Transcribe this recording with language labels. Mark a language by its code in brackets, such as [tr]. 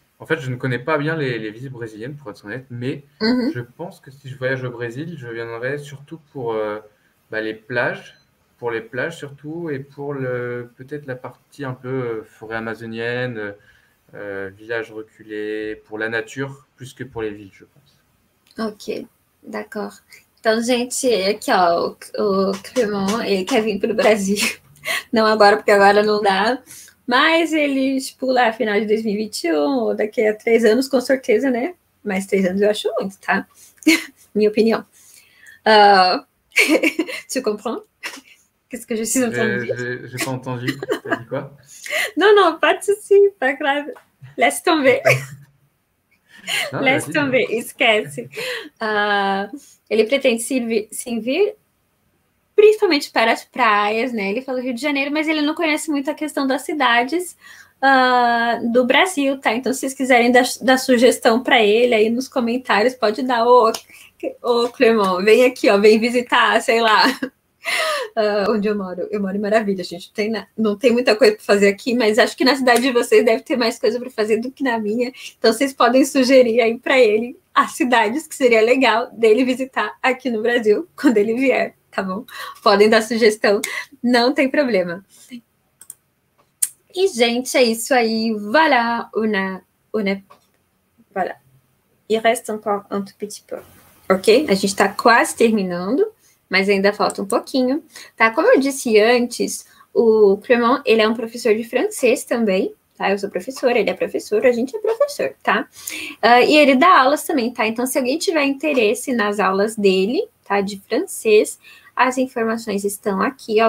[fr] En fait, je ne connais pas bien les villes brésiliennes, pour être honnête, mais je pense que si je voyage au Brésil, je viendrai surtout pour bah, les plages. Pour les plages surtout et pour peut-être la partie un peu forêt amazonienne, village reculé, pour la nature plus que pour les villes, je pense. Ok, d'accord. [pt] Então, gente, aqui ó, o Clemão, ele quer vir pro Brasil. Não agora, porque agora não dá. Mas ele, tipo, lá, final de 2021, ou daqui a 3 anos, com certeza, né? Mais 3 anos eu acho muito, tá? Minha opinião. [fr] Tu comprends? Qu'est-ce que je suis en train de dire? J'ai pas entendu, t'as dit quoi? Non, pas de soucis, pas grave. Laisse tomber. Non, Laisse vas-y, dis-moi. tomber, [pt] esquece. Ele pretende se vir principalmente para as praias, né? Ele falou Rio de Janeiro, mas ele não conhece muito a questão das cidades do Brasil, tá? Então, se vocês quiserem dar sugestão para ele aí nos comentários, pode dar. Ô, Clemão, vem aqui, ó, vem visitar, sei lá, onde eu moro. Eu moro em Maravilha, gente. Não tem muita coisa para fazer aqui, mas acho que na cidade de vocês deve ter mais coisa para fazer do que na minha. Então, vocês podem sugerir aí para ele as cidades que seria legal dele visitar aqui no Brasil quando ele vier, tá bom? Podem dar sugestão, não tem problema. E, gente, é isso aí. [fr] Voilà, voilà. Il reste encore un tout petit peu. Ok? [pt] A gente está quase terminando, mas ainda falta um pouquinho. Tá? Como eu disse antes, o Clermont, ele é um professor de francês também. Tá? Eu sou professora, ele é professor, a gente é professor, tá? E ele dá aulas também, tá? Então, se alguém tiver interesse nas aulas dele, tá, de francês, as informações estão aqui, ó.